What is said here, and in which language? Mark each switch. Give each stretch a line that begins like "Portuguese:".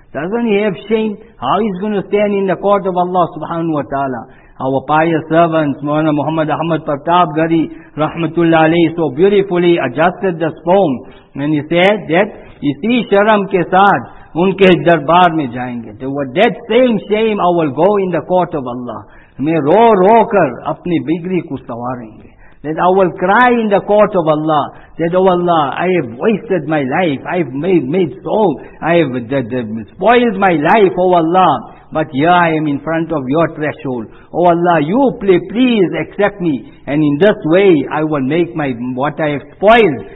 English: Doesn't he have shame? How is he going to stand in the court of Allah subhanahu wa ta'ala? Our pious servants, Mawlana Muhammad Ahmad Pratap Gari rahmatullah alayhi, so beautifully adjusted this poem, and he said that
Urdu: اسی شرم کے ساتھ ان کے دربار میں جائیں گے.
English: With that same shame I will go in the court of Allah.
Urdu: میں رو رو کر اپنی بگری کو سواریں گے.
English: That I will cry in the court of Allah. That, oh Allah, I have wasted my life. I have made so. I have spoiled my life, oh Allah. But here I am in front of your threshold. Oh Allah, you please accept me. And in this way I will make my what I have spoiled.